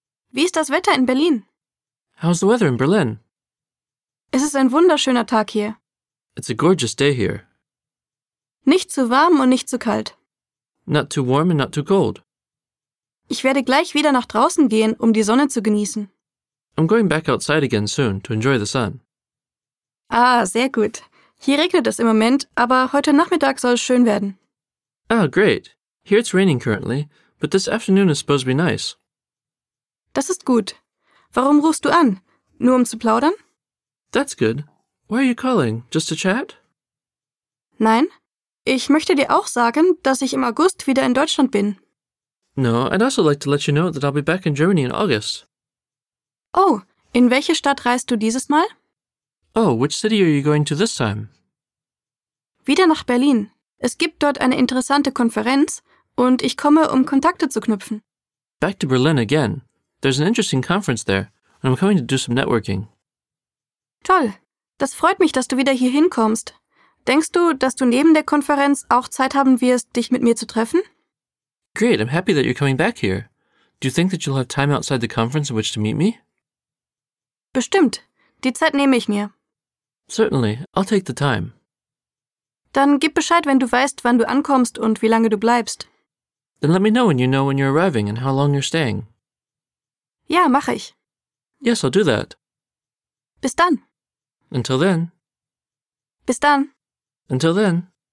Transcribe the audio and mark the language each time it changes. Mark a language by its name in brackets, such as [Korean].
[German] Wie ist das Wetter in Berlin? [English] How's the weather in Berlin? [German] Es ist ein wunderschöner Tag hier. [English] It's a gorgeous day here. [German] Nicht zu warm und nicht zu kalt. [English] Not too warm and not too cold. [German] Ich werde gleich wieder nach draußen gehen, um die Sonne zu genießen. [English] I'm going back outside again soon to enjoy the sun. [German] Ah, sehr gut. Hier regnet es im Moment, aber heute Nachmittag soll es schön werden. [English] Ah, great. Here it's raining currently, but this afternoon is supposed to be nice. [German] Das ist gut. Warum rufst du an? Nur um zu plaudern? [English] That's good. Why are you calling? Just to chat? [German] Nein. Ich möchte dir auch sagen, dass ich im August wieder in Deutschland bin. [English] No, I'd also like to let you know that I'll be back in Germany in August. [German] Oh, in welche Stadt reist du dieses Mal? [English] Oh, which city are you going to this time? [German] Wieder nach Berlin. Es gibt dort eine interessante Konferenz und ich komme, um Kontakte zu knüpfen. [English] Back to Berlin again. There's an interesting conference there and I'm coming to do some networking. [German] Toll. Das freut mich, dass du wieder hier hinkommst. Denkst du, dass du neben der Konferenz auch Zeit haben wirst, dich mit mir zu treffen? [English] Great, I'm happy that you're coming back here. Do you think that you'll have time outside the conference in which to meet me? [German] Bestimmt. Die Zeit nehme ich mir. [English] Certainly. I'll take the time. [German] Dann gib Bescheid, wenn du weißt, wann du ankommst und wie lange du bleibst. [English] Then let me know when you're arriving and how long you're staying. [German] Ja, mache ich. [English] Yes, I'll do that. [German] Bis dann. [English] Until then. [German] Bis dann. [English] Until then.